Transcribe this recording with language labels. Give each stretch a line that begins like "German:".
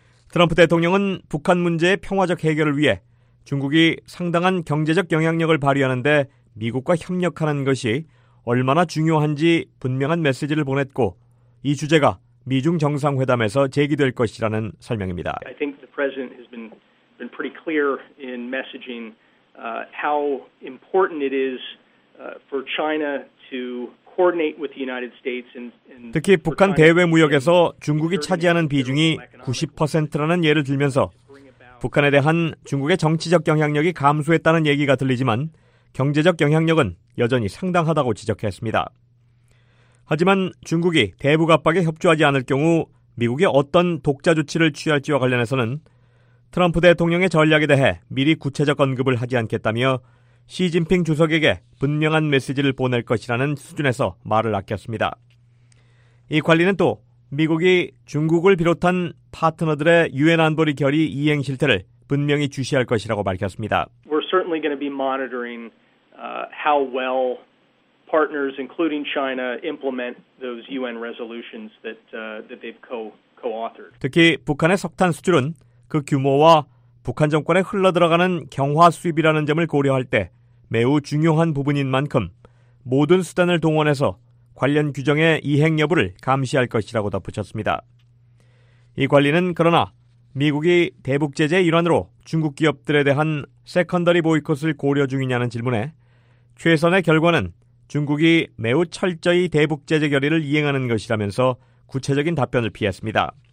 Korean: 트럼프 대통령은 북한 문제의 평화적 해결을 위해 중국이 상당한 경제적 영향력을 발휘하는 데 미국과 협력하는 것이 얼마나 중요한지 분명한 메시지를 보냈고 이 주제가 미중 정상회담에서 제기될 것이라는 설명입니다.
English: I think the president has been pretty clear in messaging how important it is for China to coordinate with the United States and
Korean: 특히 북한 대외 무역에서 중국이 차지하는 비중이 90%라는 예를 들면서 북한에 대한 중국의 정치적 영향력이 감소했다는 얘기가 들리지만 경제적 영향력은 여전히 상당하다고 지적했습니다. 하지만 중국이 대북 압박에 협조하지 않을 경우 미국이 어떤 독자 조치를 취할지와 관련해서는 트럼프 대통령의 전략에 대해 미리 구체적 언급을 하지 않겠다며 시진핑 주석에게 분명한 메시지를 보낼 것이라는 수준에서 말을 아꼈습니다. 이 관리는 또 미국이 중국을 비롯한 파트너들의 유엔 안보리 결의 이행 실태를 분명히 주시할 것이라고 밝혔습니다.
English: We're certainly going to be monitoring how well partners including China implement those UN resolutions that they've co-authored.
Korean: 특히 북한의 석탄 수출은 그 규모와 북한 정권에 흘러들어가는 경화 수입이라는 점을 고려할 때 매우 중요한 부분인 만큼 모든 수단을 동원해서 관련 규정의 이행 여부를 감시할 것이라고 덧붙였습니다. 이 관리는 그러나 미국이 대북 제재 일환으로 중국 기업들에 대한 세컨더리 보이콧을 고려 중이냐는 질문에 최선의 결과는 중국이 매우 철저히 대북 제재 결의를 이행하는 것이라면서 구체적인 답변을 피했습니다.